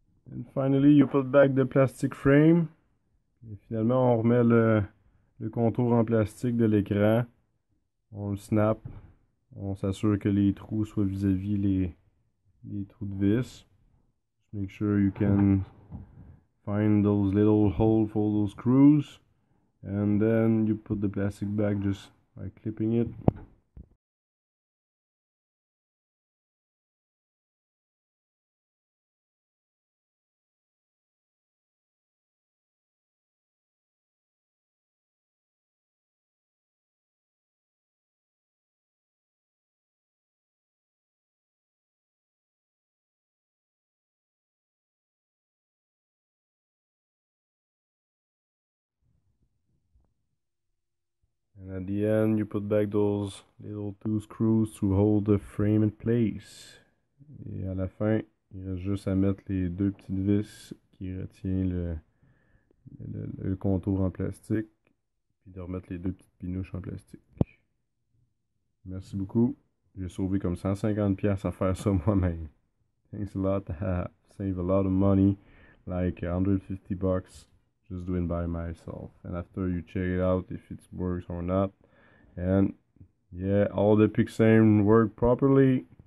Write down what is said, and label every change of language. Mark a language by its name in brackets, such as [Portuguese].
[English] And finally, you put back the plastic frame. [French] Et finalement, on remet le contour en plastique de l'écran. On le snap. On s'assure que les trous soient vis-à-vis les trous de vis. [English] Just make sure you can find those little holes for those screws. And then you put the plastic back just by clipping it. And at the end, you put back those little two screws to hold the frame in place. [French] Et à la fin, il reste juste à mettre les deux petites vis qui retiennent le contour en plastique, puis de remettre les deux petites pinouches en plastique. Merci beaucoup. J'ai sauvé comme 150$ à faire ça moi-même. [English] Thanks a lot. I save a lot of money, like 150 bucks. Just doing by myself, and after you check it out if it works or not, and yeah, all the pixels work properly.